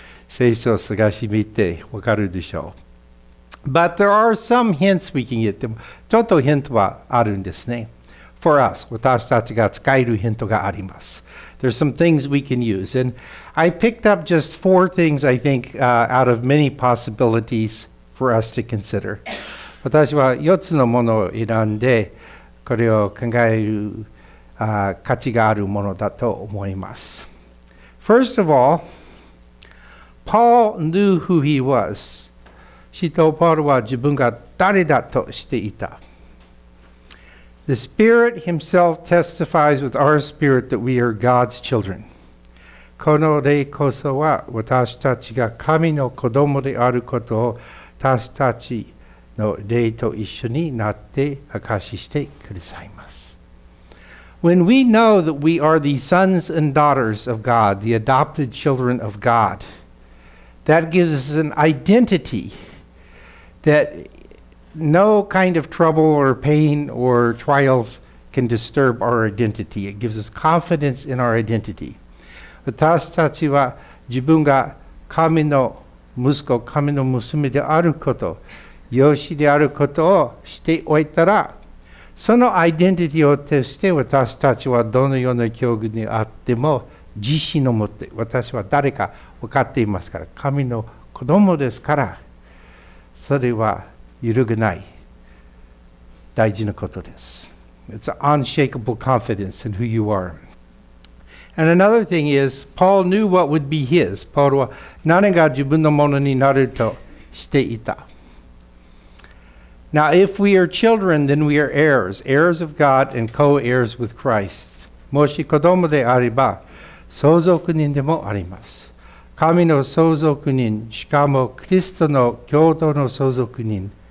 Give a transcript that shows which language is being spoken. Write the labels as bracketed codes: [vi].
[ja] 聖書を探し見てわかるでしょう。 [en] But there are some hints we can get them. [ja] ちょっとヒントはあるんですね。 [en] For us, [ja] 私たちが使えるヒントがあります。 [en] There's some things we can use. And I picked up just four things, I think, out of many possibilities for us to consider. [ja] 私は4つのものを選んで、これを考える価値があるものだと思います。 [en] First of all, Paul knew who he was. [ja] 使徒パウロは自分が誰だと知っていた。 [en] The Spirit Himself testifies with our spirit that we are God's children. [ja] この礼こそは私たちが神の子供であることを私たちの礼と一緒になって証ししてくださいます。 [en] When we know that we are the sons and daughters of God, the adopted children of God, that gives us an identity that no kind of trouble or pain or trials can disturb our identity. It gives us confidence in our identity. [ja] 私たちは自分が神の息子、神の娘であること、養子であることをしておいたら、そのアイデンティティを通して私たちはどのような境遇にあっても自信を持って、私は誰か分かっていますから、神の子供ですから、それは揺るぐない大事なことです。 [en] It's an unshakable confidence in who you are. And another thing is, Paul knew what would be his. [ja] パウロは何が自分のものになると知っていた。 [en] Now, if we are children, then we are heirs. Heirs of God and co-heirs with Christ. [ja] もし子供であれば、相続人でもあります。神の相続人、しかもキリストの共同の相続人、